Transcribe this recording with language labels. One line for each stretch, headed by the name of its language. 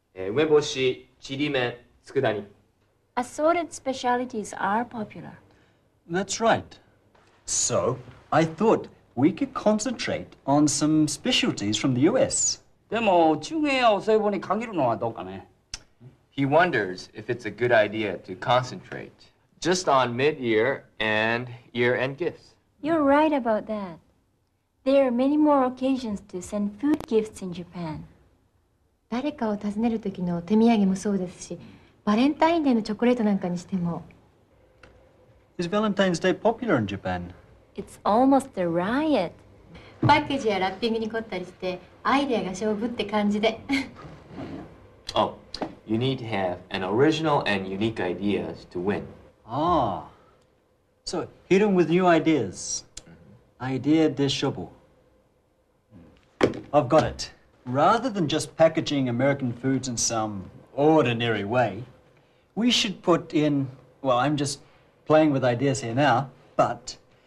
Japanese: 例えば、こんな感じですね。日本酒に、梅干し、ちりめん、佃煮。
English: Assorted specialties are popular. That's right. So, I thought we could concentrate on some specialties from the U.S. He wonders if it's a good idea to concentrate just on mid-year and year-end gifts. You're right about that. There are many more occasions to send food gifts in Japan.
Japanese: 誰かを訪ねる時の手土産もそうですし、バレンタインデーのチョコレートなんかにしても。
English: Is Valentine's Day popular in Japan? It's almost a riot.
Japanese: パッケージやラッピングに凝ったりして、アイデアが勝負って感じで。
English: Oh, you need to have an original and unique ideas to win. Ah, so hit them with new ideas.
Japanese: Idea de shobo.
English: I've got it. Rather than just packaging American foods in some ordinary way, we should put in, well, I'm just playing with ideas here now, but...